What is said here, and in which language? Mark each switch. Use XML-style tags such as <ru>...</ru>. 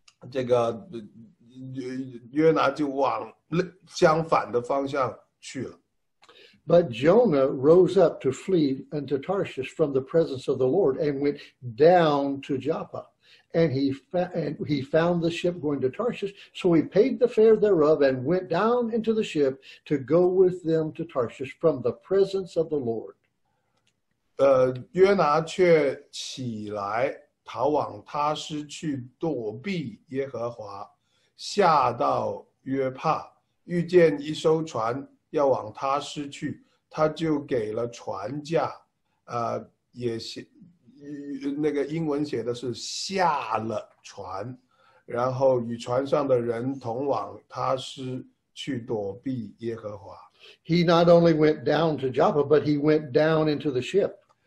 <zh>这个约拿就往相反的方向去了。</zh> <en>But Jonah rose up to flee unto Tarshish from the presence of the Lord and went down to Joppa. And he found the ship going to Tarshish, so he paid the fare thereof and went down into the ship to go with them to Tarshish from the presence of the Lord.</en> <zh>约拿却起来逃往他师去躲避耶和华，下到约帕，遇见一艘船要往他师去。他就给了船价，也是那个英文写的是下了船，然后与船上的人同往他师去躲避耶和华。</zh> <en>He not only went down to Joppa, but he went down into the ship.</en>